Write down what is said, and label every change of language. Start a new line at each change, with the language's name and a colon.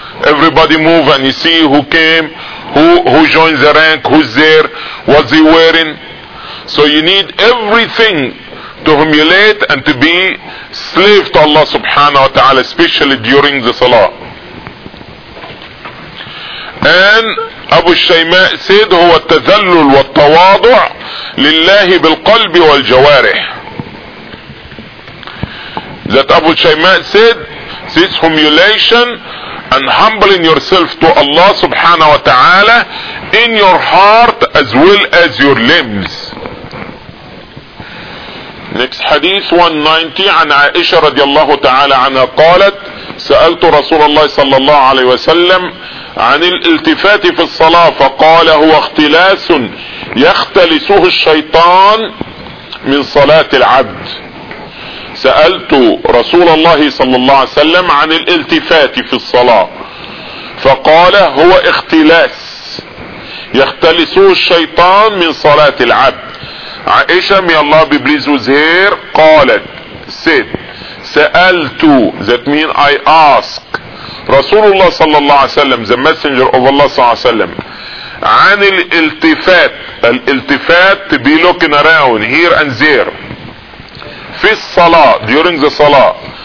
English: Everybody move and you see who came, who joined the rank, who's there, what's he wearing. So you need everything to humiliate and to be slave to Allah subhanahu wa ta'ala, especially during the salah. And Abu Shayma said,
Arabic: هو التذلل والتواضع لله بالقلب والجوارح.
English: That Abu Shayma said, this humiliation and humbling yourself to Allah subhanahu wa ta'ala in your heart as well as your limbs. Next hadith 190
Arabic: عن عائشة رضي الله تعالى عنها قالت سألت رسول الله صلى الله عليه وسلم عن الالتفات في الصلاة فقال هو اختلاس يختلسه الشيطان من صلاة العبد. سألت رسول الله صلى الله عليه وسلم عن الالتفات في الصلاة فقال هو اختلاس يختلسه الشيطان من صلاة العبد. عائشة من الله ببليز وزهير قالت
English: said
Arabic: سألت
English: that mean I ask Rasulullah sallallahu alayhi wa sallam, the messenger of Allah sallallahu alayhi wa sallam,
Arabic: عن الالتفات, الالتفات
English: to be looking around here and there
Arabic: في الصلاة,
English: during the صلاة.